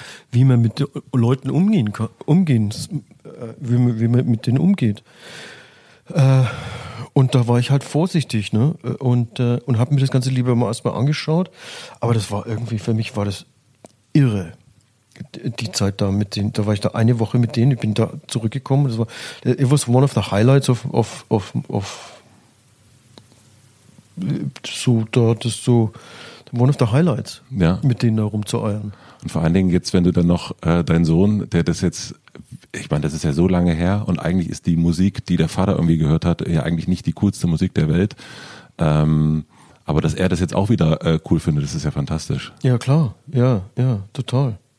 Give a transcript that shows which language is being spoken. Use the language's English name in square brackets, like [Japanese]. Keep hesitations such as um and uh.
[German] Wie man mit Leuten umgehen kann, umgehen, äh, wie man, wie man mit denen umgeht. Und da war ich halt vorsichtig, ne? Und, äh, und habe mir das Ganze lieber mal erstmal angeschaut. Aber das war irgendwie, für mich war das irre. D- Die Zeit da mit denen, da war ich da eine Woche mit denen, ich bin da zurückgekommen. Das war, [English] it was one of the highlights of, of, of, of so, da, das so, one of the highlights, [German] Ja. mit denen da rumzueiern. Und vor allen Dingen jetzt, wenn du dann noch äh, deinen Sohn, der das jetzt, ich meine, das ist ja so lange her und eigentlich ist die Musik, die der Vater irgendwie gehört hat, ja eigentlich nicht die coolste Musik der Welt. Ähm, Aber dass er das jetzt auch wieder äh, cool findet, das ist ja fantastisch. Ja, klar. Ja, ja, total.